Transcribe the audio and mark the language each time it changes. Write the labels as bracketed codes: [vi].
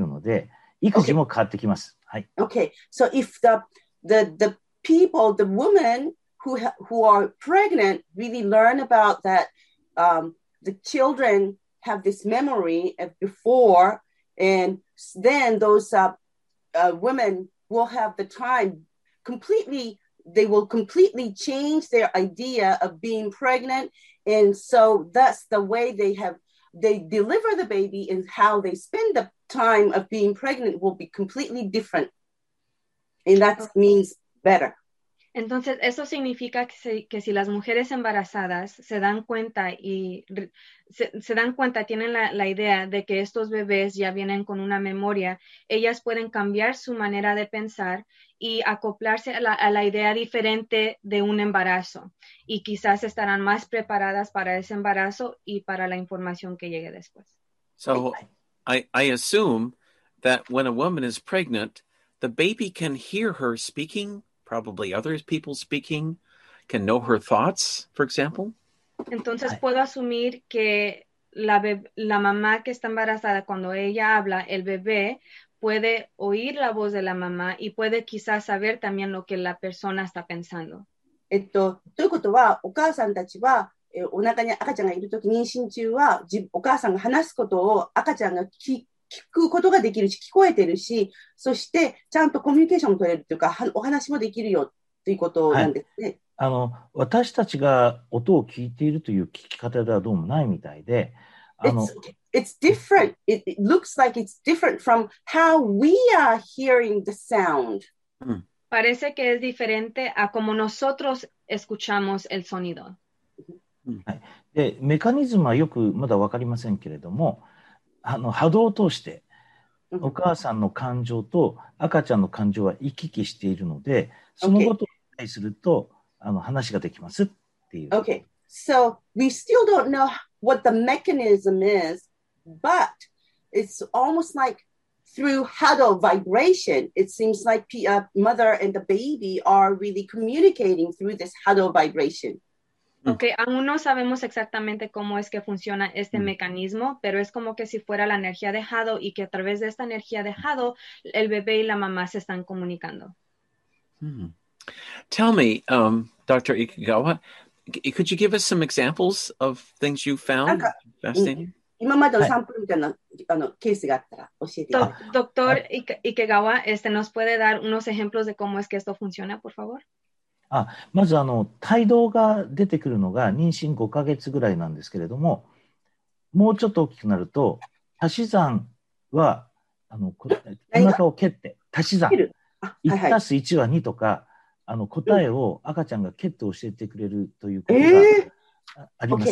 [ja] もしお腹の中の赤ちゃんが意識があって記憶があるということを多くの妊婦さんが知ったら今までと違う妊娠出産ができるので育児も変わってきます。はい。Okay. [en] So if the woman who are pregnant really learn about that the children have this memory of before, and then those women will have the time completely, they will completely change their idea of being pregnant. And so that's the way they deliver the baby, and how they spend the time of being pregnant will be completely different. And that means better. [es] Entonces, eso significa que si las mujeres embarazadas se dan cuenta y se dan cuenta, tienen la idea de que estos bebés ya vienen con una memoria, ellas pueden cambiar su manera de pensar y acoplarse a la idea diferente de un embarazo. Y quizás estarán más preparadas para ese embarazo y para la información que llegue después. [en] So, I assume that when a woman is pregnant, the baby can hear her speaking, probably other people speaking, can know her thoughts, for example. [es] Entonces puedo asumir que la mamá que está embarazada, cuando ella habla, el bebé puede oír la voz de la mamá y puede quizás saber también lo que la persona está pensando. [ja] ということは、お母さんたちは、お腹に赤ちゃんがいるとき、妊娠中は、お母さんが話すことを赤ちゃんが聞くことができるし、聞こえてるし、そしてちゃんとコミュニケーションを取れるというか、お話もできるよということなんですね。はい、私たちが音を聞いているという聞き方ではどうもないみたいで、 [en] It's different. It looks like it's different from how we are hearing the sound. [es] Parece que es diferente a como nosotros escuchamos el sonido. [ja] はい、で、メカニズムはよくまだ分かりませんけれども、波動を通してお母さんの感情と赤ちゃんの感情は行き来しているので、そのことに対すると、 [en] okay. [ja] 話ができますっていう。 [en] Okay, so we still don't know what the mechanism is, but it's almost like through huddle vibration, it seems like mother and the baby are really communicating through this huddle vibration. [es] Ok, aún no sabemos exactamente cómo es que funciona este mecanismo, pero es como que si fuera la energía de Hado, y que a través de esta energía de Hado, el bebé y la mamá se están comunicando. [en] Tell me, Dr. Ikagawa, could you give us some examples of things you found fascinating? [ja] 今までのサンプルみたいな、はい、ケースがあったら教えてください。 [en] Dr. [es] Ikegawa, ¿nos puede dar unos ejemplos de cómo es que esto funciona, por favor? [ja] まず胎動が出てくるのが妊娠5ヶ月ぐらいなんですけれども、もうちょっと大きくなると足し算はお腹を蹴って足し算、はいはい、1たす1は2とか答えを赤ちゃんが蹴って教えてくれるということがあります。